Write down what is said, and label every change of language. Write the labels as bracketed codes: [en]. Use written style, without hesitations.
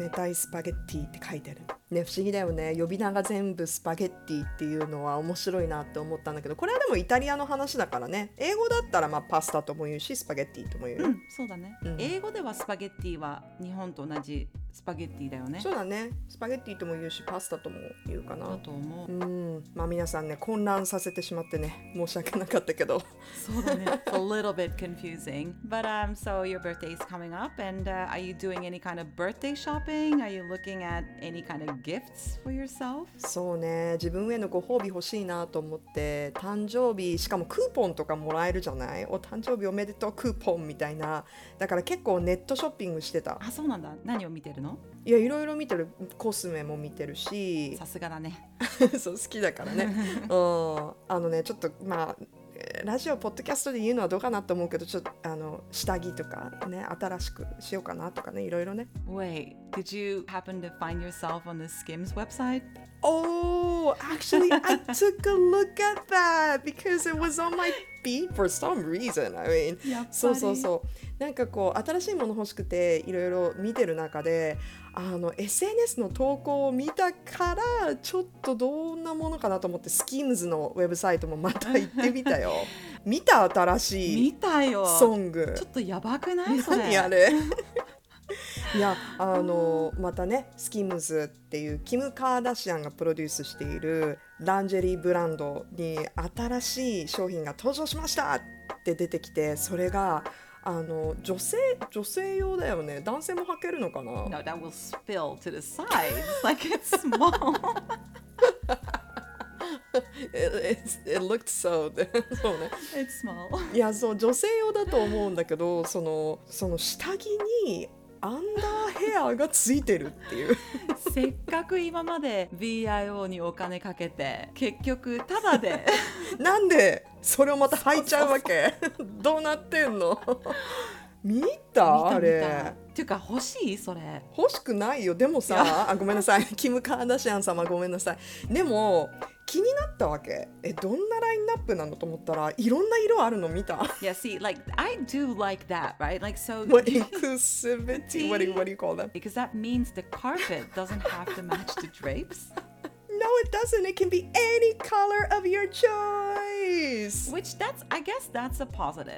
[ja] 冷たいスパゲッティって書いてるね。不思議だよね、呼び名が全部スパゲッティっていうのは面白いなって思ったんだけど、これはでもイタリアの話だからね、英語だったらまあパスタとも言うしスパゲッティとも言う、うん、そうだね、うん、英語ではスパゲッティは日本と同じスパゲッティだよね。そうだね、スパゲッティとも言うしパスタとも言うかなだと思う。うん、まあ皆さんね混乱させてしまってね申し訳なかったけど、そうだね。 [en] A little bit confusing but so your birthday is coming up and are you doing any kind of birthday shopping? Are you looking at any kind of gifts for yourself? [ja] そうね、自分へのご褒美欲しいなと思って、誕生日しかもクーポンとかもらえるじゃない、お誕生日おめでとうクーポンみたいな、だから結構ネットショッピングしてた。あ、そうなんだ、何を見てる。いや、いろいろ見てる、コスメも見てるし、さすがだねそう好きだからね、うん、あのねちょっとまあラジオポッドキャストで言うのはどうかなと思うけど、ちょっとあの下着とかね新しくしようかなとかね、いろいろね。 [en] Wait, did you happen to find yourself on the Skims website? Oh, actually I took a look at that because it was on my feed for some reason. I mean, [ja] やっぱりそうそうそう、なんかこう新しいもの欲しくていろいろ見てる中で、あの SNS の投稿を見たからちょっとどんなものかなと思ってスキームズのウェブサイトもまた行ってみたよ見た新しい見たよソング、ちょっとやばくないそれ、何あれいや、あのまたねスキームズっていうキム・カーダシアンがプロデュースしているランジェリーブランドに新しい商品が登場しましたって出てきて、それがあの女性用だよね、男性も履けるのかな。 [en] No, that will spill to the sides like it's small it looked so [ja] そう、ね、 [en] it's small [ja] いや、そう女性用だと思うんだけど、その下着にアンダーヘアがついてるっていうせっかく今まで VIO にお金かけて結局タダでなんでそれをまた履いちゃうわけ、そうそうそうどうなってんの見た、あれ見たっていうか欲しい、それ欲しくないよ。でもさあ、ごめんなさい、キム・カーダシアン様ごめんなさい、でも気になったわけ、え、どんなラインナップなのと思ったらいろんな色あるの見た。 [en] Yeah, see, like, I do like that, right? Like, so what inclusivity, what do you call that? Because that means the carpet doesn't have to match the drapes. No, it doesn't. It can be any color of your choice. Which, that's, I guess that's a positive.